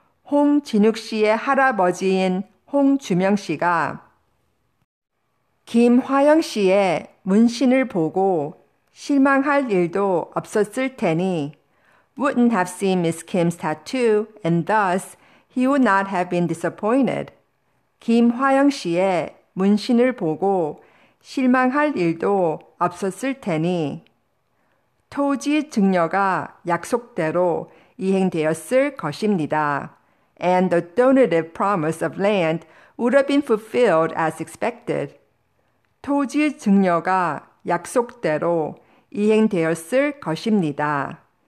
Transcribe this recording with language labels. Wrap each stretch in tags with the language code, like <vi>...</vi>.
<ko>홍진욱 씨의 할아버지인 홍주명 씨가 김화영 씨의 문신을 보고 실망할 일도 없었을 테니</ko> <en>wouldn't have seen Miss Kim's tattoo, and thus he would not have been disappointed.</en> <ko>김화영 씨의 문신을 보고 실망할 일도 없었을 테니 토지 증여가 약속대로 이행되었을 것입니다.</ko> <en>And the donative promise of land would have been fulfilled as expected.</en> <ko>토지 증여가 약속대로 이행되었을 것입니다.</ko>